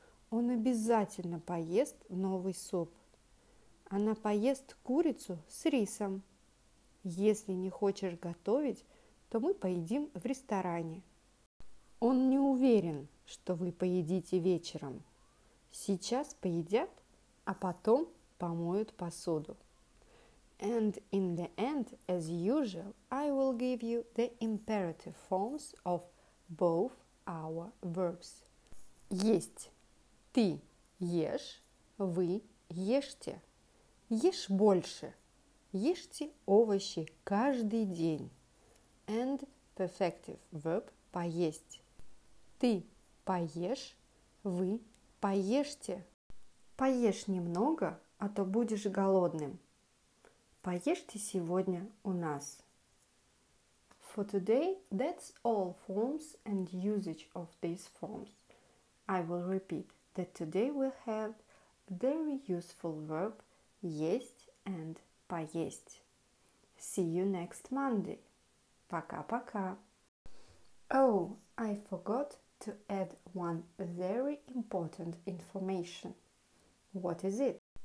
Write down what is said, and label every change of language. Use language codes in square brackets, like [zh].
[ru] Он обязательно поест новый суп. Она поест курицу с рисом. Если не хочешь готовить, то мы поедим в ресторане. Он не уверен, что вы поедите вечером. Сейчас поедят, а потом помоют посуду. [en] And in the end, as usual, I will give you the imperative forms of both our verbs. Есть. [ru] Ты ешь, вы ешьте. Ешь больше. Ешьте овощи каждый день. [en] And perfective verb [ru] поесть. Ты поешь, вы поешьте. Поешь немного, а то будешь голодным. Поешьте сегодня у нас. [en] For today, that's all forms and usage of these forms. I will repeat that today we have very useful verb есть and поесть. See you next Monday. [ru] Пока-пока. [en] Oh, I forgot to add one very important information. What is it?